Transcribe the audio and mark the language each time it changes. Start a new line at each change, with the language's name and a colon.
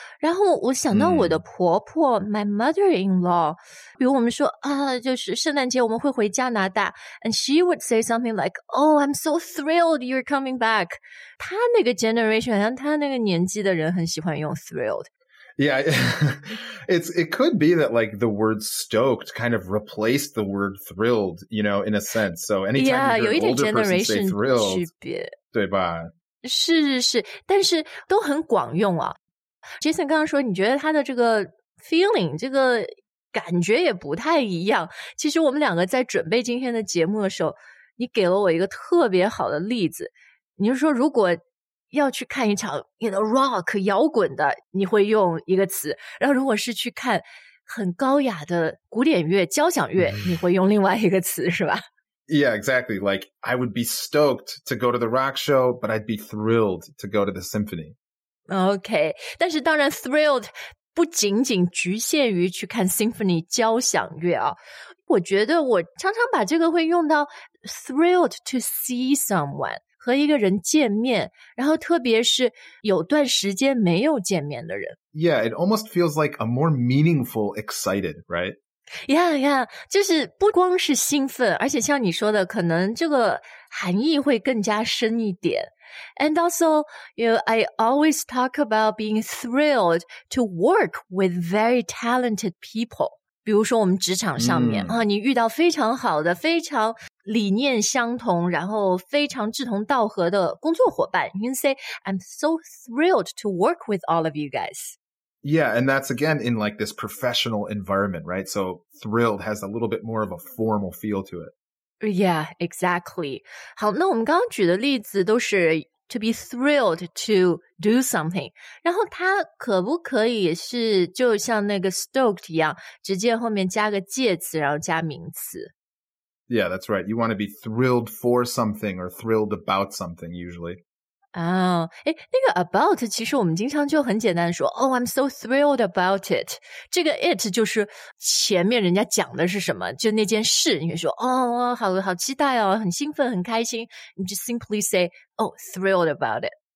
Chinese: 然后我想到我的婆婆、
English: my mother-in-law,
Chinese: 比如我们说啊，就是圣诞节我们会回加拿大
English: and she would say something like, oh, I'm so thrilled you're coming back.
Chinese: 她那个 generation, 好像她那个年纪的人很喜欢用 thrilled.
English: Yeah, it could be that like the word stoked kind of replaced the word thrilled, you know, in a sense. So anytime yeah, you hear an older person say thrilled,
Chinese: 区别对吧是是是但是都很广用啊。Jason 刚刚说你觉得他的这个 feeling, 这个感觉也不太一样。其实我们两个在准备今天的节目的时候你给了我一个特别好的例子。你是说如果要去看一场 you know, rock, 摇滚的你会用一个词。然后如果是去看很高雅的古典乐交响乐你会用另外一个词是吧
English: Yeah, exactly. Like, I would be stoked to go to the rock show, but I'd be thrilled to go to the symphony.
Chinese: Okay. 但是当然 thrilled 不仅仅局限于去看 symphony 交响乐啊。我觉得我常常把这个会用到
English: thrilled to see someone,
Chinese: 和一个人见面然后特别是有段时间没有见面的人。
English: Yeah, it almost feels like a more meaningful excited, right?
Chinese: Yeah, yeah, 就是不光是兴奋而且像你说的可能这个含义会更加深一点。
English: And also, you know, I always talk about being thrilled to work with very talented people.
Chinese: 比如说我们职场上面、啊、你遇到非常好的非常理念相同然后非常志同道合的工作伙伴。
English: You can say, I'm so thrilled to work with all of you guys. Yeah, and that's again in like this professional environment, right? So thrilled has a little bit more of a formal feel to it.
Chinese: Yeah, exactly. 好，那我们刚刚举的例子都是
English: to be thrilled to do something.
Chinese: 然后它可不可以是就像那个 stoked 一样，直接后面加个介词，然后加名词？
English: Yeah, that's right. You want to be thrilled for something or thrilled about something usually.
Chinese: 哦，那个 about 其实我们经常就很简单说
English: Oh, I'm so thrilled about it.
Chinese: 这个 it 就是前面人家讲的是什么就那件事你说哦、oh, 好期待哦很兴奋很开心你
English: just simply say, oh, thrilled about it.